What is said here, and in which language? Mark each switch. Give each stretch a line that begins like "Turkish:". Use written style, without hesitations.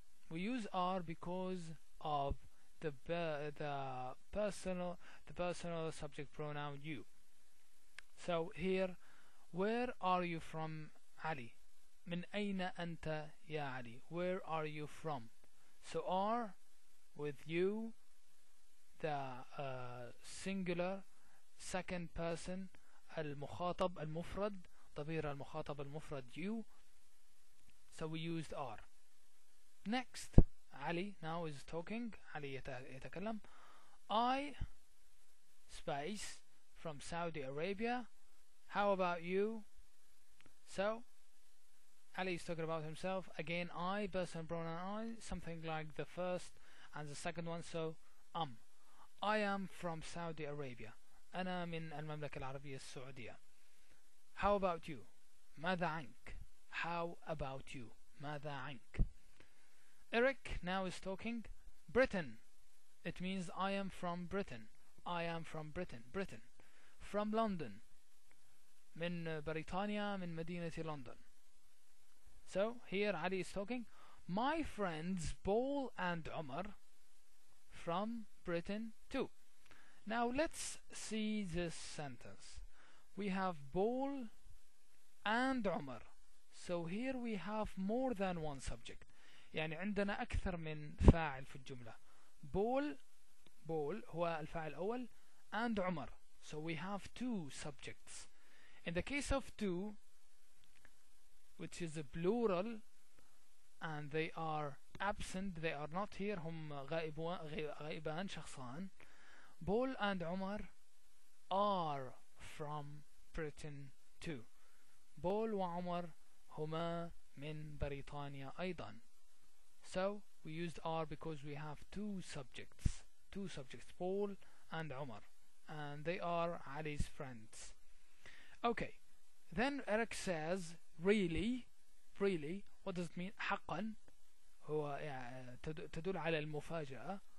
English: We use are because of the personal subject pronoun you. So here, where are you from, Ali?
Arabic: من أين أنت يا علي?
English: Where are you from? So are with you, the singular. Second person,
Arabic: المخاطب المفرد, ضمير المخاطب المفرد you.
English: So we used are. Next, Ali now is talking. Ali
Arabic: يتكلم.
English: I space from Saudi Arabia. How about you? So, Ali is talking about himself. Again, I, person pronoun I, something like the first and the second one. So, I am from Saudi Arabia.
Arabic: أنا من المملكة العربية السعودية.
English: How about you?
Arabic: ماذا عنك?
English: How about you? ماذا عنك? Eric now is talking Britain. It means I am from Britain. I am from Britain. Britain. From London.
Arabic: من بريطانيا من مدينة لندن.
English: So here Ali is talking. My friends Paul and Omar from Britain too. Now let's see this sentence. We have Paul and Omar. So here we have more than one subject.
Arabic: يعني عندنا أكثر من فاعل في الجملة.
English: Paul
Arabic: هو الفاعل الأول
English: and Omar. So we have two subjects. In the case of two, which is a plural, and they are absent, they are not here.
Arabic: هم غائبان شخصان.
English: Paul and Omar are from Britain too.
Arabic: Paul وعمر هما من بريطانيا أيضا.
English: So we used are because we have two subjects, Paul and Omar, and they are Ali's friends. Okay, then Eric says, really, really, what does it mean?
Arabic: حقا, هو تدل على المفاجأة.